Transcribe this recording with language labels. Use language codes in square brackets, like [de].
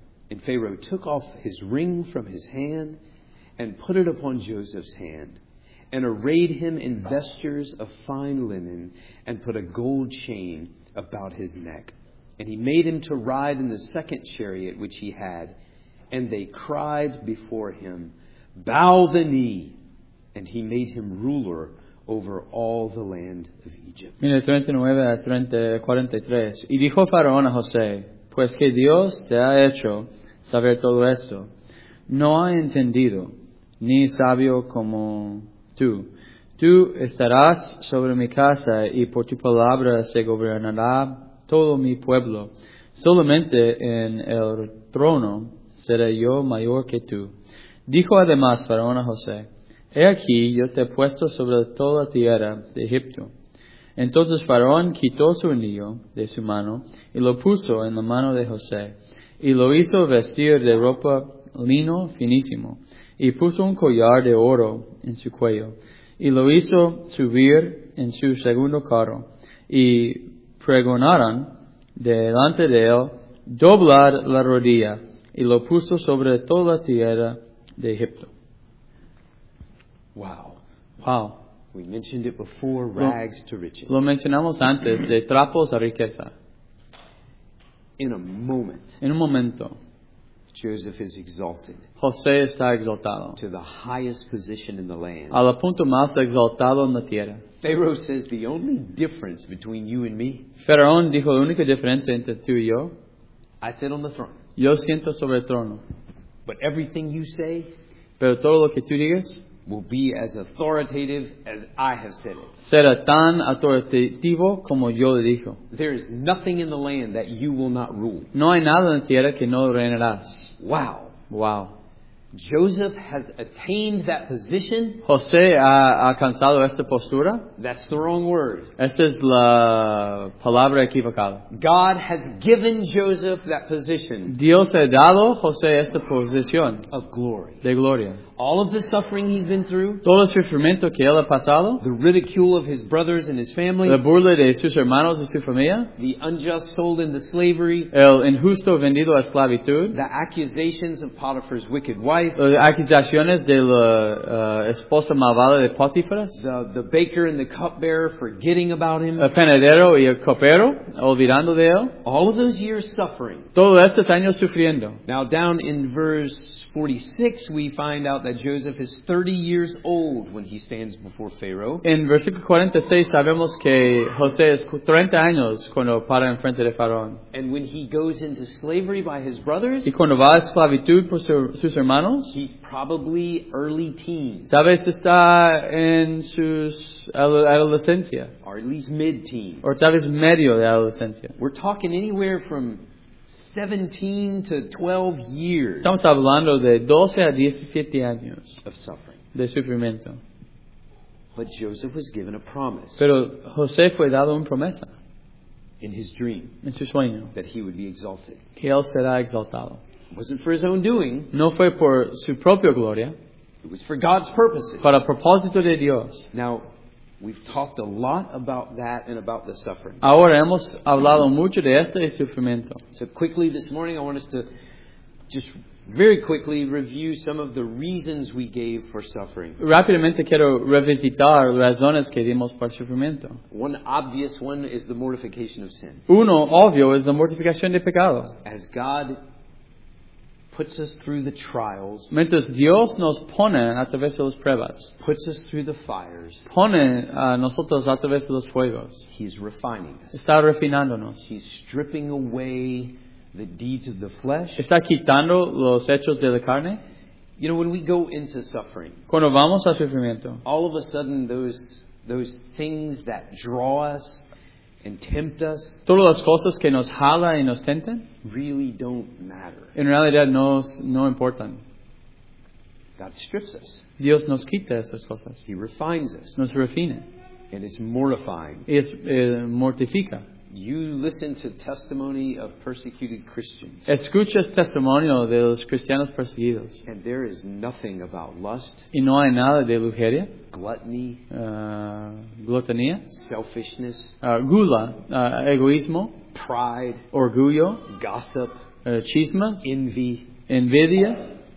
[en] And Pharaoh took off his ring from his hand, and put it upon Joseph's hand, and arrayed him in vestures of fine linen, and put a gold chain about his neck. And he made him to ride in the second chariot which he had, and they cried before him, bow the knee. And he made him ruler over all the land of Egypt. [es] Mira, 39-43. Y dijo Faraón a José, pues que Dios te ha hecho saber todo esto, no ha entendido ni sabio como tú. Tú estarás sobre mi casa y por tu palabra se gobernará todo mi pueblo. Solamente en el trono seré yo mayor que tú. Dijo además Faraón a José, he aquí, yo te he puesto sobre toda la tierra de Egipto. Entonces Faraón quitó su anillo de su mano y lo puso en la mano de José y lo hizo vestir de ropa lino finísimo y puso un collar de oro en su cuello y lo hizo subir en su segundo carro y pregonaron delante de él doblar la rodilla y lo puso sobre toda la tierra de Egipto. [en] Wow. We mentioned it before, rags to riches. [es] Lo mencionamos antes, de trapos a riqueza. [en] In a moment. [es] En un momento. [en] Joseph is exalted. [es] José está exaltado. [en] To the highest position in the land. [es] Al punto más exaltado en la tierra. [en] Pharaoh says the only difference between you and me. [es] Faraón dijo la única diferencia entre tú y yo. [en] I sit on the throne. [es] Yo siento sobre el trono. [en] But everything you say. [es] Pero todo lo que tú digas. [en] Will be as authoritative as I have said it. [es] Será tan autoritativo como yo le dijo. [en] There is nothing in the land that you will not rule. [es] No hay nada en tierra que no reinarás. [en] Wow. Joseph has attained that position. [es] José ha alcanzado esta postura. [en] That's the wrong word. [es] Esa es la palabra equivocada. [en] God has given Joseph that position. [es] Dios ha dado a José esta posición. [en] Of glory. [es] De gloria. [en] All of the suffering he's been through. [es] Todo el sufrimiento que él ha pasado. [en] The ridicule of his brothers and his family. [es] La burla de sus hermanos y su familia. [en] The unjust sold into slavery. [es] El injusto vendido a esclavitud. [en] The accusations of Potiphar's wicked wife. [es] Las acusaciones de la esposa malvada de Potifar. [en] The baker and the cupbearer forgetting about him. [es] El panadero y el copero olvidando de él. [en] All of those years suffering. [es] Todos estos años sufriendo. [en] Now down in verse 46 we find out that Joseph is 30 years old when he stands before Pharaoh. [es] En versículo 46 sabemos que José es 30 años cuando para enfrente de Faraón. [en] And when he goes into slavery by his brothers, [es] y cuando va a esclavitud por sus hermanos, [en] he's probably early teens. [es] Sabes, está en su adolescencia. [en] Or at least mid-teens. [es] O tal vez medio de adolescencia. [en] We're talking anywhere from 17 to 12 years. [es] Estamos hablando de 12 a 17 años [en] of suffering. [es] De sufrimiento. [en] But Joseph was given a promise. [es] Pero José fue dado una promesa. [en] In his dream. [es] En su sueño. [en] That he would be exalted. [es] Que él será exaltado. [en] It wasn't for his own doing. [es] No fue por su propia gloria. [en] It was for God's purposes. [es] Para propósito de Dios. [en] Now, we've talked a lot about that and about the suffering. [es] Ahora hemos hablado mucho de este sufrimiento. [en] So quickly this morning, I want us to just very quickly review some of the reasons we gave for suffering. [es] Rápidamente quiero revisitar razones que dimos por sufrimiento. [en] One obvious one is the mortification of sin. [es] Uno obvio es la mortificación de pecado. [en] As God puts us through the trials. [es] Mientras Dios nos pone a través de las pruebas. [en] Puts us through the fires. [es] Pone a nosotros a través de los fuegos. [en] He's refining us. [es] Está refinándonos. [en] He's stripping away the deeds of the flesh. [es] ¿Está quitando los hechos de la carne? [en] You know, when we go into suffering, [es] cuando vamos a sufrimiento, [en] all of a sudden those things that draw us and tempt us, [es] todas las cosas que nos jala y nos tentan, [en] really don't matter. [es] En realidad no importan. [en] God strips us. [es] Dios nos quita esas cosas. [en] He refines us. [es] Nos refina. [en] And it's mortifying. [es] Es mortifica. [en] You listen to testimony of persecuted Christians. [es] Escuchas testimonio de los cristianos perseguidos. [en] And there is nothing about lust. [es] Y no hay nada de lujuria. [en] Gluttony. [es] Glotonía. [en] Selfishness. [es] Gula. Egoísmo. [en] Pride. [es] Orgullo. [en] Gossip. [es] Chismas. [en] Envy. [es] Envidia.